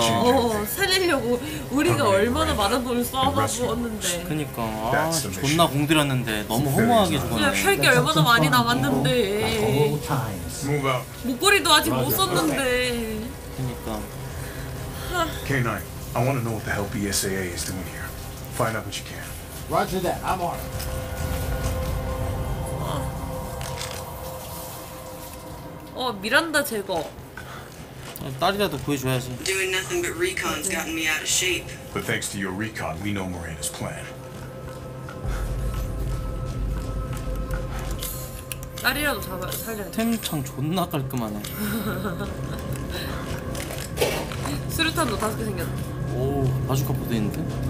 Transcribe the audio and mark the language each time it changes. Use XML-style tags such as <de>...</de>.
<ko>어, 살리려고 우리가 얼마나 많은 돈을 쏴가지고었는데. 그니까, 아, 존나 공들였는데 너무 허무하게 죽었네. 살게 얼마나 많이 남았는데. 목걸이도 아직 못 썼는데. 그니까.</ko> <en>K9, I want to know what the hell BSAA is doing here. Find out what you can. Roger that. I'm on.</en> <ko>어, 미란다 제거. 딸이라도 보여줘야지.</ko> <en>Doing nothing but recon's gotten me out of shape. But thanks to your recon, we know Miranda's plan.</en> <ko>딸이라도 잡아 살려야지. 템창 존나 깔끔하네. 수류탄도 5개 생겼다. 오, 바주카 보드 있는데?</ko>